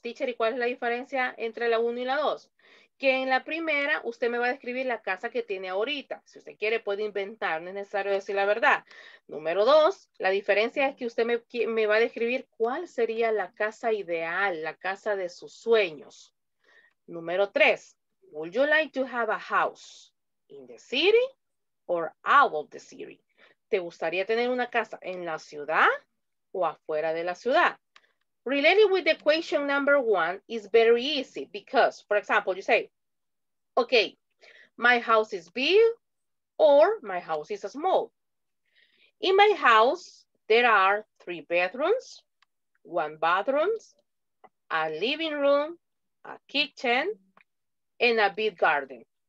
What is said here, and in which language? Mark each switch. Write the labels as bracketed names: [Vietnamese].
[Spanish] Teacher, ¿y cuál es la diferencia entre la uno y la dos? Que en la primera, usted me va a describir la casa que tiene ahorita. Si usted quiere, puede inventar. No es necesario decir la verdad. Número dos, la diferencia es que usted me va a describir cuál sería la casa ideal, la casa de sus sueños. Número tres. [English] Would you like to have a house in the city or out of the city? [Spanish] ¿Te gustaría tener una casa en la ciudad o afuera de la ciudad? [English] Related with the question number one is very easy because, for example, you say, okay, my house is big or my house is small. In my house, there are 3 bedrooms, 1 bathroom, a living room, a kitchen, and a big garden.